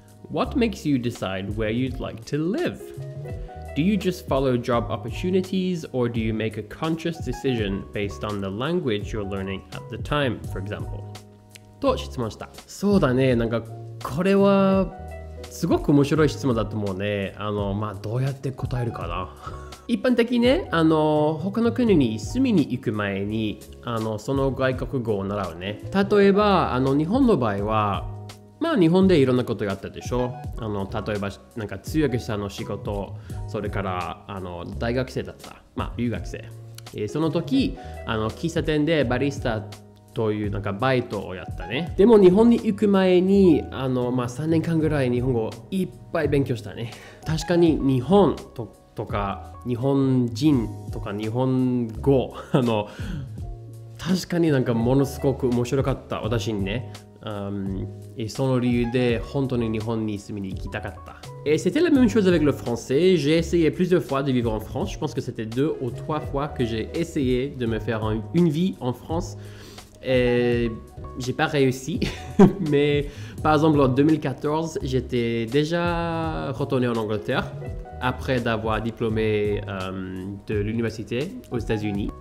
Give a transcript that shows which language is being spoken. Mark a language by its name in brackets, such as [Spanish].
[English] What makes you decide where you'd like to live? Do you just follow job opportunities, or do you make a conscious decision based on the language you're learning at the time, for example? [Japanese] と質問した。そうだね、なんかこれはすごく面白い質問だと思うね。まあどうやって答えるかな。一般的にね、他の国に住みに行く前にその外国語を習うね。例えば日本の場合は、まあ日本でいろんなことがあったでしょ。例えばなんか通訳者の仕事、それから大学生だった、まあ留学生、その時喫茶店でバリスタというなんかバイトをやったね。でも日本に行く前にまあ3年間ぐらい日本語をいっぱい勉強したね。確かに日本とか日本人とか日本語、確かになんかものすごく面白かった私にね。その理由で本当に日本に住みに行きたかった。 [French] Et c'était la même chose avec le français. J'ai essayé plusieurs fois de vivre en France. Je pense que c'était deux ou trois fois que j'ai essayé de me faire une vie en France. Et j'ai pas réussi. Mais par exemple, en 2014, j'étais déjà retourné en Angleterre après d'avoir diplômé de l'université aux États-Unis.